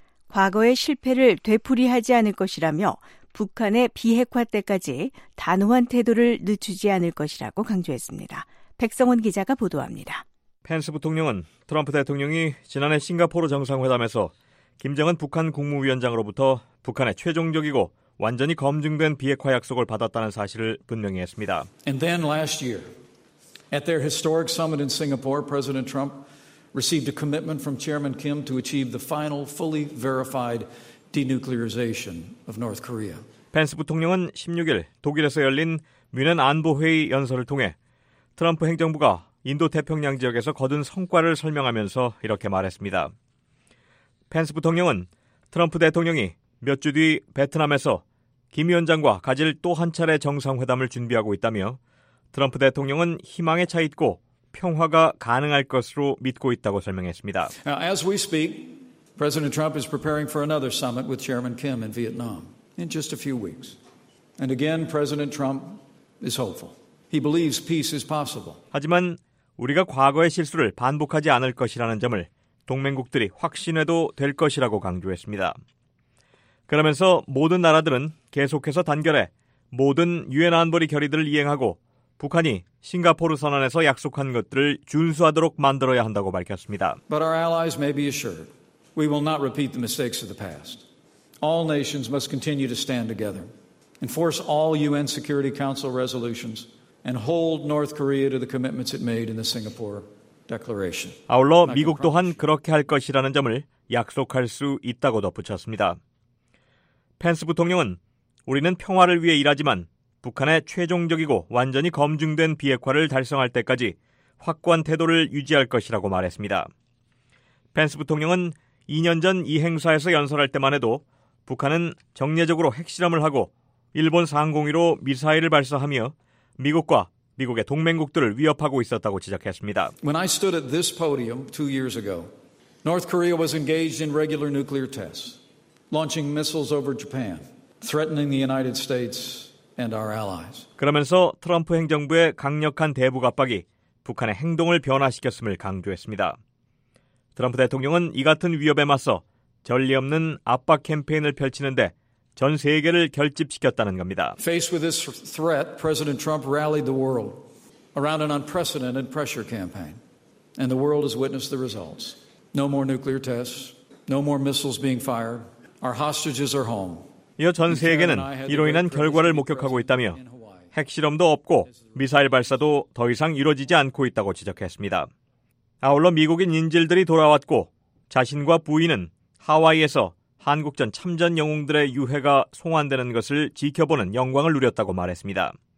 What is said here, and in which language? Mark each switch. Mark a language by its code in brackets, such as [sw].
[ko] 과거의 실패를 되풀이하지 않을 것이라며 북한의 비핵화 때까지 단호한 태도를 늦추지 않을 것이라고 강조했습니다. 백성원 기자가 보도합니다. 펜스 부통령은 트럼프 대통령이 지난해 싱가포르 정상회담에서 김정은 북한 국무위원장으로부터 북한의 최종적이고 완전히 검증된 비핵화 약속을 받았다는 사실을 분명히 했습니다. [en] And then last year, at their historic summit in Singapore, President Trump received a commitment from Chairman Kim to achieve the final fully verified denuclearization of North Korea. [ko] 펜스 부통령은 16일 독일에서 열린 뮌헨 안보회의 연설을 통해 트럼프 행정부가 인도태평양 지역에서 거둔 성과를 설명하면서 이렇게 말했습니다. 펜스 부통령은 트럼프 대통령이 몇 주 뒤 베트남에서 김 위원장과 가질 또 한 차례 정상회담을 준비하고 있다며 트럼프 대통령은 희망에 차 있고 평화가 가능할 것으로 믿고 있다고 설명했습니다. [en] Now, as we speak, President Trump is preparing for another summit with Chairman Kim in Vietnam in just a few weeks. And again, President Trump is hopeful. He believes peace is possible. [ko] 하지만 우리가 과거의 실수를 반복하지 않을 것이라는 점을 동맹국들이 확신해도 될 것이라고 강조했습니다. 그러면서 모든 나라들은 계속해서 단결해 모든 유엔 안보리 결의들을 이행하고 북한이 싱가포르 선언에서 약속한 것들을 준수하도록 만들어야 한다고 밝혔습니다. [en] But our allies may be assured we will not repeat the mistakes of the past. All nations must continue to stand together, enforce all UN Security Council resolutions, and hold North Korea to the commitments it made in the Singapore Declaration. [ko] 아울러 미국 또한 그렇게 할 것이라는 점을 약속할 수 있다고 덧붙였습니다. 펜스 부통령은 우리는 평화를 위해 일하지만 북한의 최종적이고 완전히 검증된 비핵화를 달성할 때까지 확고한 태도를 유지할 것이라고 말했습니다. 펜스 부통령은 2년 전 이 행사에서 연설할 때만 해도 북한은 정례적으로 핵실험을 하고 일본 상공위로 미사일을 발사하며 미국과 미국의 동맹국들을 위협하고 있었다고 지적했습니다. [en] When I stood at this podium 2 years ago, North Korea was engaged in regular nuclear tests. Launching missiles over Japan, threatening the United States and our allies. [ko] 그러면서 트럼프 행정부의 강력한 대북 압박이 북한의 행동을 변화시켰음을 강조했습니다. 트럼프 대통령은 이 같은 위협에 맞서 전례 없는 압박 캠페인을 펼치는데 전 세계를 결집시켰다는 겁니다. [en] Faced with this threat, President Trump rallied the world around an unprecedented pressure campaign, and the world has witnessed the results. No more nuclear tests. No more missiles being fired. Our hostages are home. [ko] 이어 전 세계는 이로 인한 결과를 목격하고 있다며 핵실험도 없고 미사일 발사도 더 이상 이루어지지 않고 있다고 지적했습니다. 아울러 미국인 인질들이 돌아왔고 자신과 부인은 하와이에서 한국전 참전 영웅들의 유해가 송환되는 것을 지켜보는 영광을 누렸다고 말했습니다.